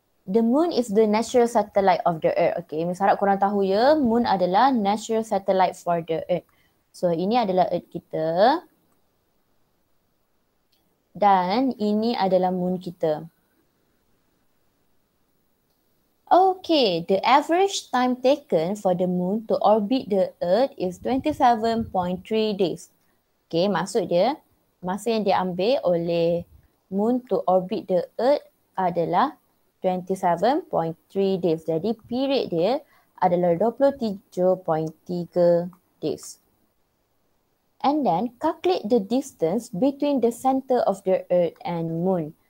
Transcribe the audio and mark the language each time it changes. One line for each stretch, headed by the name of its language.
English: The moon is the natural satellite of the earth.
Malay: Okay, Miss harap korang tahu ya, moon adalah
English: natural satellite for the earth.
Malay: So, ini adalah earth kita. Dan ini adalah moon kita.
English: Okay, the average time taken for the moon to orbit the earth is 27.3 days.
Malay: Okay, maksud dia, masa yang diambil oleh moon
English: to orbit the earth
Malay: adalah 27.3 days. Jadi period dia adalah 27.3 days.
English: And then calculate the distance between the center of the earth and moon.